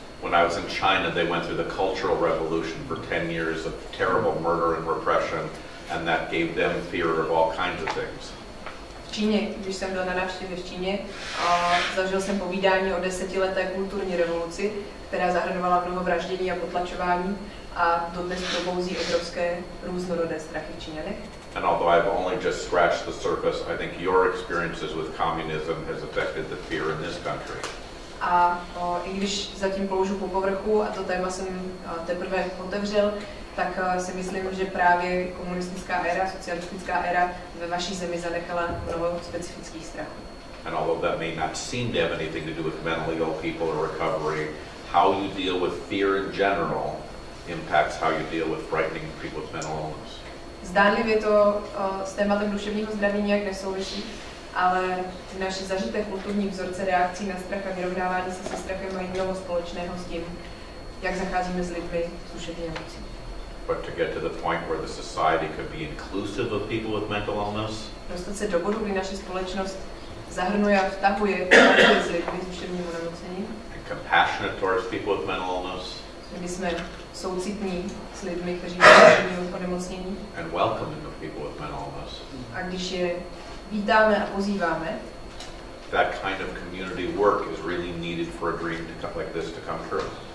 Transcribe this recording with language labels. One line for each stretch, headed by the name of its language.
English: When I was in China, they went through the Cultural Revolution for 10 years of terrible murder and repression, and that gave them fear of all kinds of things.
Czech: V Číně, když jsem byl na návštěvě v Číně, zažil jsem povídání o desetileté kulturní revoluci, která zahrnovala mnoho vraždění a potlačování a dodnes probouzí obrovské různorodé strachy v Číňanech.
English: And although I've only just scratched the surface, I think your experiences with communism has affected the fear in this country.
Czech: A i když zatím ploužu po povrchu a to téma jsem teprve otevřel, tak si myslím, že právě komunistická éra, socialistická éra ve vaší zemi zanechala mnoho specifických strachů.
English: And although that may not seem to have anything to do with mentally ill people or recovery, how you deal with fear in general impacts how you deal with frightening people with mental illness.
Czech: Zdánlivě to s tématem duševního zdraví nijak nesouvisí, ale naše zažité kulturní vzorce reakcí na strach a vyrovnávání se se strachem mají mnoho společného s tím, jak zacházíme s lidmi s duševní nemocí.
English: But to get to the point where the society could be inclusive of people with mental illness.
Czech: Dostat se do bodu, kdy naše společnost zahrnuje a vtahuje lidmi s lidmi s duševním onemocněním.
English: And compassionate towards people with mental illness.
Czech: Kdyby jsme soucitní s lidmi, kteří mají duševní onemocnění.
English: And welcoming of people with mental illness.
Czech: A když je vítáme a pozýváme.
English: That kind of community work is really needed for a dream like this to come true.